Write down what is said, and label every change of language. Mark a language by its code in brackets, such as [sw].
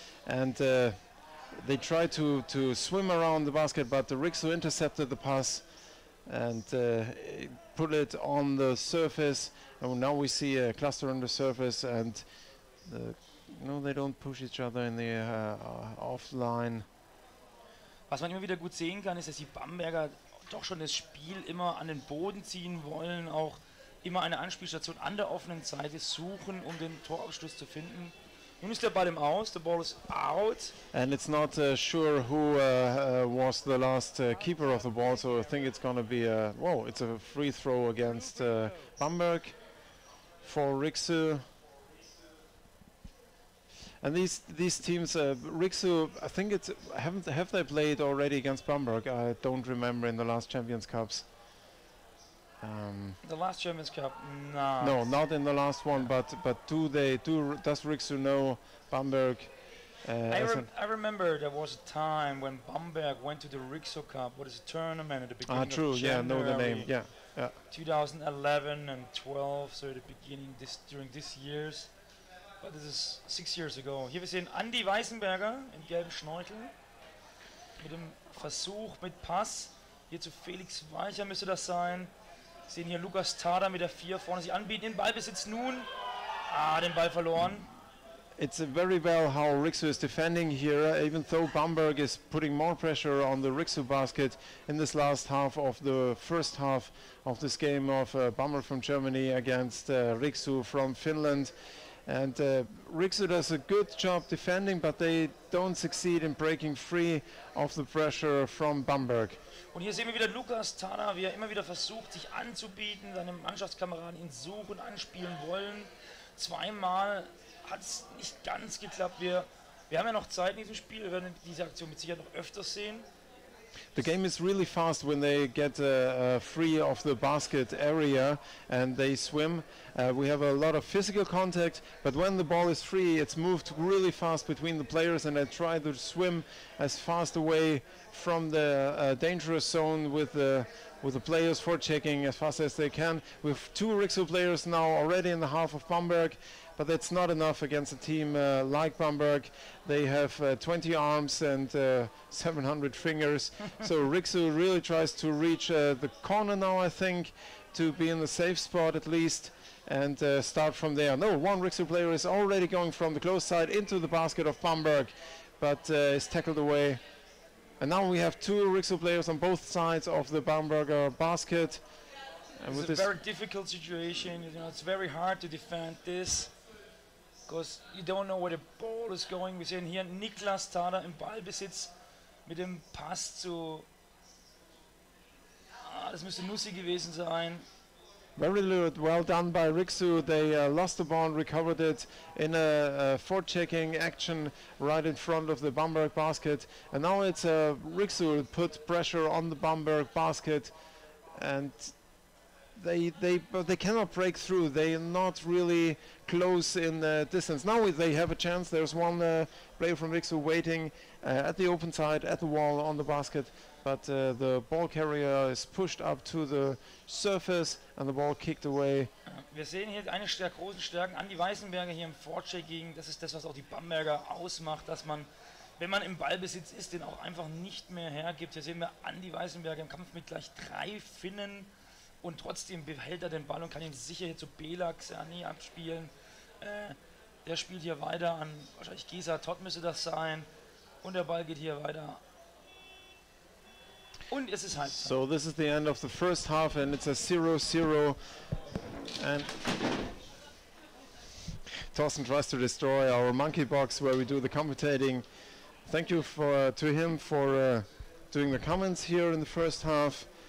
[en] And they try to swim around the basket, but the Riksu intercepted the pass and put it on the surface. And now we see a cluster on the surface and they don't push each other in the offline. [de] Was man immer wieder gut sehen kann, ist, dass die Bamberger doch schon das Spiel immer an den Boden ziehen wollen, auch immer eine Anspielstation an der offenen Seite suchen, um den Torabschluss zu finden. Nun ist der Ball im Aus, [en] the ball is out. And it's not sure who was the last keeper of the ball, so I think it's gonna be it's a free throw against Bamberg for Riksu. And these teams, Riksu, I think it's, have they played already against Bamberg? I don't remember in the last Champions Cups. The last Champions Cup? No, not in the last one, yeah. but does Riksu know Bamberg? I remember there was a time when Bamberg went to the Riksu Cup, what is a tournament at the beginning of true, January. Ah, true, yeah, know the name, yeah. 2011 and 12, so at the beginning, during these years. This is 6 years ago. [de] Hier wir sehen Andi Weißenberger im gelben Schnorchel mit dem Versuch mit Pass. Hier zu Felix Weicher müsste das sein. Wir sehen hier Lukas Tada mit der 4 vorne sich anbieten. Den Ballbesitz nun. Ah, den Ball verloren. [en] It's very well how Riksu is defending here, even though Bamberg is putting more pressure on the Riksu basket in this last half of the first half of this game of Bamberg from Germany against Riksu from Finland. And Riksu does a good job defending, but they don't succeed in breaking free of the pressure from Bamberg. [de] Und hier sehen wir wieder Lukas Tada, wie er immer wieder versucht, sich anzubieten, seine Mannschaftskameraden ihn suchen, anspielen wollen. Zweimal hat es nicht ganz geklappt. Wir haben ja noch Zeit in diesem Spiel, wir werden diese Aktion mit Sicherheit noch öfter sehen. [en] The game is really fast when they get free of the basket area and they swim. We have a lot of physical contact, but when the ball is free, it's moved really fast between the players and they try to swim as fast away from the dangerous zone with the players for checking as fast as they can. We have two Riksu players now already in the half of Bamberg, but that's not enough against a team like Bamberg. They have 20 arms and 700 fingers. So Riksu really tries to reach the corner now, I think, to be in the safe spot at least and start from there. No, one Riksu player is already going from the close side into the basket of Bamberg, but is tackled away. And now we have two Riksu players on both sides of the Bamberger basket. It's a very difficult situation. You know, it's very hard to defend this because you don't know where the ball is going. We see here [de] Niklas Tada im Ballbesitz mit dem Pass zu. Das müsste Nussi gewesen sein. [en] Very good, well done by Riksu. They lost the ball, recovered it in a forechecking action right in front of the Bamberg basket. And now it's Riksu put pressure on the Bamberg basket, and they cannot break through. They are not really close in the distance. Now they have a chance. There's one player from Riksu waiting at the open side, at the wall, on the basket. But the ball carrier is pushed up to the surface and the ball kicked away. [de] Wir sehen hier eine der großen Stärken an die Weißenberger hier im Forechecking. Das ist das, was auch die Bamberger ausmacht, dass man, wenn man im Ballbesitz ist, den auch einfach nicht mehr hergibt. Hier sehen wir an die Weißenberger im Kampf mit gleich drei Finnen und trotzdem behält er den Ball und kann ihn sicher hier zu Bela Xerni abspielen. Der spielt hier weiter an, wahrscheinlich Gesa Todd müsste das sein. Und der Ball geht hier weiter. Und es ist Halbzeit. [en] So, this is the end of the first half and it's a 0-0. And Thorsten tries to destroy our monkey box where we do the commentating. Thank you to him for doing the comments here in the first half.